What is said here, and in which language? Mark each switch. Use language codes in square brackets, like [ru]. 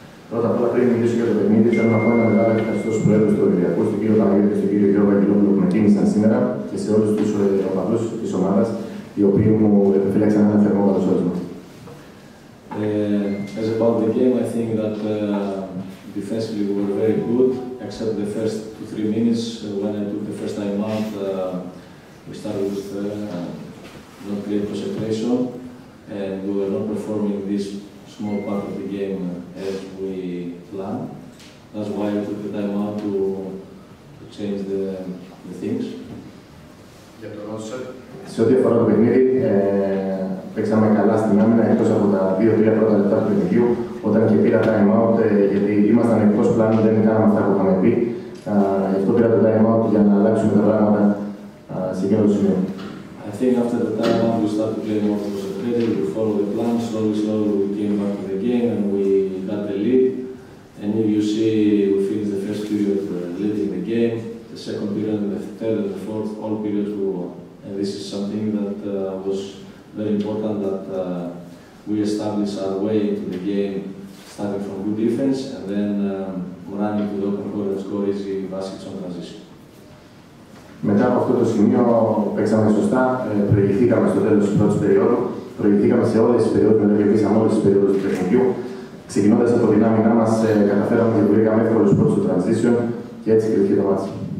[el] Πρώτα απ' όλα, πριν μιλήσω για το παιχνίδι, θέλω να πω ένα μεγάλο ευχαριστώ στους προέδρους του Ολυμπιακού, στον κύριο Παναγιώτη και στον κύριο Γιώργο Αγγελόπουλο που με κίνησαν σήμερα και σε όλους τους οπαδούς της ομάδας, οι οποίοι μου επιφύλαξαν ένα θερμό καλωσόρισμα. [en] As about the game, I think that defensively we were very good, except the first 2-3 minutes when I took the first time out, we started with not great concentration and we were not performing this small part of the game as we planned. That's why we took the time out to change the things. [el] Για τον Ρόσερ. Σε ό,τι αφορά το παιχνίδι, παίξαμε καλά στην άμυνα εκτός από τα 2-3 πρώτα λεπτά του παιχνιδιού, όταν και πήρα time out, γιατί ήμασταν εκτός πλάνου, δεν κάναμε αυτά που είχαμε πει. Γι' αυτό πήρα το time out για να αλλάξουμε τα πράγματα σε εκείνο το σημείο. [en] I think after the time out we started playing more concentrated, we followed the plan, slowly we came back to the game and we got the lead. And if you see, we finished the first period leading the game, the second period, the third and the fourth, all periods we won. And this is something that was very important, that we established our way into the game, starting from good defense and then running to the open court and score easy baskets on transition. [el] Μετά από αυτό το σημείο παίξαμε σωστά, προηγηθήκαμε στο τέλος της πρώτης περίοδου, προηγηθήκαμε σε όλες τις περίοδους, μετά και πήσαμε όλες τις περίοδους του παιχνιδιού. Ξεκινώντας από την άμυνά μας, καταφέραμε και βρήκαμε εύκολους πρώτους στο transition και έτσι κρυφθεί το μάτσι.